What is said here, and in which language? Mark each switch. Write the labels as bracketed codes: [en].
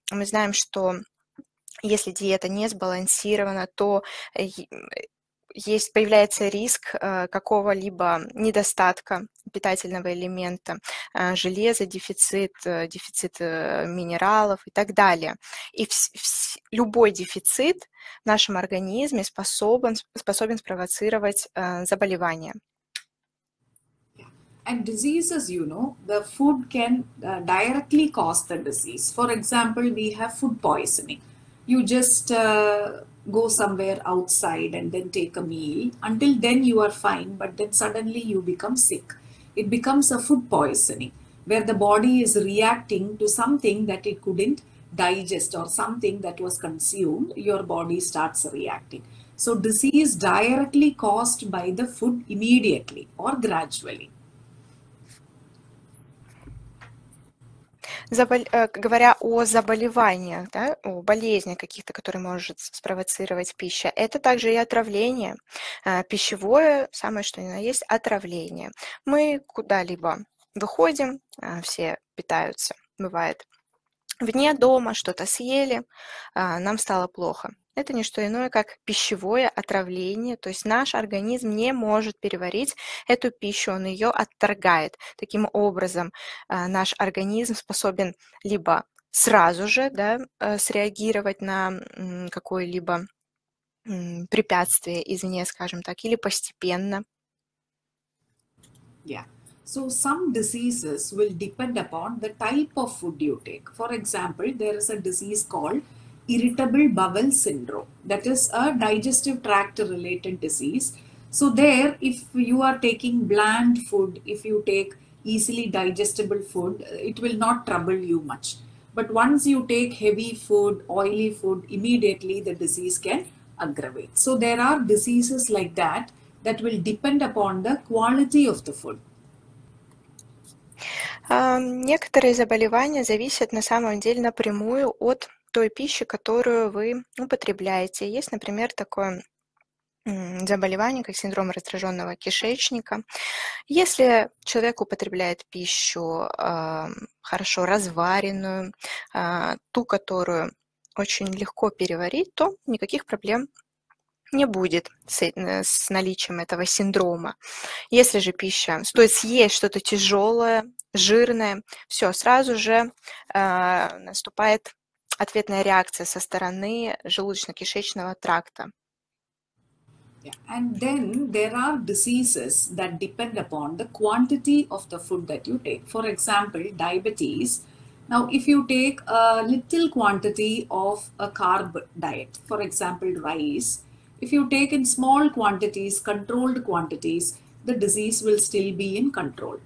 [ru] Мы знаем, что если диета не сбалансирована, то есть, появляется риск какого-либо недостатка питательного элемента, железа, дефицит минералов и так далее. И любой дефицит в нашем организме способен спровоцировать заболевания. [en] And diseases, you know, the food can directly cause the disease. For example, we have food poisoning. You just go somewhere outside and then take a meal. Until then you are fine, but then suddenly you become sick. It becomes a food poisoning where the body is reacting to something that it couldn't digest or something that was consumed, your body starts reacting. So disease directly caused by the food immediately or gradually. [ru] Говоря о заболеваниях, да, о болезнях каких-то, которые может спровоцировать пища, это также и отравление. Пищевое, самое что ни на есть, отравление. Мы куда-либо выходим, все питаются, бывает, вне дома что-то съели, нам стало плохо. Это не что иное, как пищевое отравление, то есть наш организм не может переварить эту пищу, он ее отторгает. Таким образом, наш организм способен либо сразу же, да, среагировать на какое-либо препятствие извне, скажем так, или постепенно. [en] Yeah. So some diseases will depend upon the type of food you take. For example, there is a disease called irritable bowel syndrome, that is a digestive tract related disease. So there, if you are taking bland food, if you take easily digestible food, it will not trouble you much. But once you take heavy food, oily food, immediately the disease can aggravate. So there are diseases like that that will depend upon the quality of the food. [ru] Некоторые заболевания зависят на самом деле напрямую от той пищи, которую вы употребляете. Есть, например, такое заболевание, как синдром раздраженного кишечника. Если человек употребляет пищу хорошо разваренную, ту, которую очень легко переварить, то никаких проблем не будет с наличием этого синдрома. Если же пища стоит съесть что-то тяжелое, жирное, все, сразу же наступает ответная реакция со стороны желудочно-кишечного тракта. [en] And then there are diseases that depend upon the quantity of the food that you take. For example, diabetes. Now, if you take a little quantity of a carb diet, for example, rice, if you take in small quantities, controlled quantities, the disease will still be in control.